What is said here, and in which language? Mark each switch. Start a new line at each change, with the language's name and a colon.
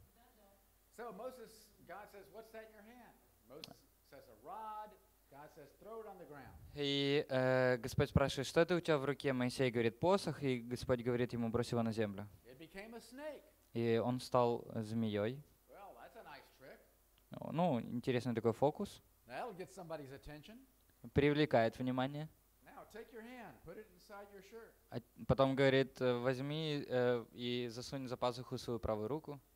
English: Right. So Moses, God says, what's that in your hand? Moses says a rod. God says throw it on the ground.
Russian: И Господь спрашивает, что это у тебя в руке? Моисей говорит, посох. И Господь говорит ему, брось его на землю.
English: It became a snake.
Russian: И он стал змеей.
English: Well, that's a nice trick.
Russian: Ну, интересный такой фокус.
English: That'll get somebody's attention.
Russian: Привлекает внимание.
English: Now, take your hand, put it inside your shirt.
Russian: А потом говорит, возьми и засунь за пазуху свою правую руку.